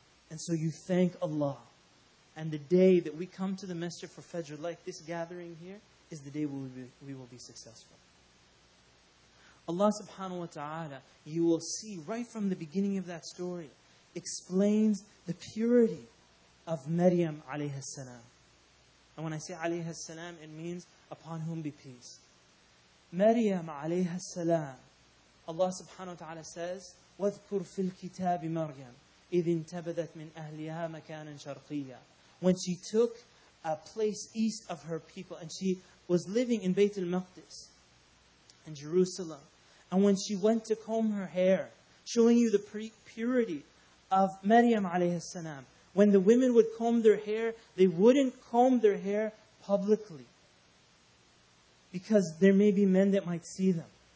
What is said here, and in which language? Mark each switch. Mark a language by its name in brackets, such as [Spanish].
[English] And so you thank Allah. And the day that we come to the masjid for Fajr, like this gathering here, is the day we will be successful. Allah subhanahu wa ta'ala, you will see right from the beginning of that story, explains the purity of Maryam alayhi salam. And when I say alayhi salam, it means upon whom be peace. [Arabic] Maryam alayhi salam, Allah subhanahu wa ta'ala says, وَذْكُرْ فِي الْكِتَابِ مَرْيَمْ إِذْ انْتَبَذَتْ مِنْ أَهْلِهَا مَكَانًا شَرْقِيًّا. [English] When she took a place east of her people, and she was living in Bayt al-Maqdis in Jerusalem. And when she went to comb her hair, showing you the purity of Maryam alayhi salam, when the women would comb their hair, they wouldn't comb their hair publicly, because there may be men that might see them.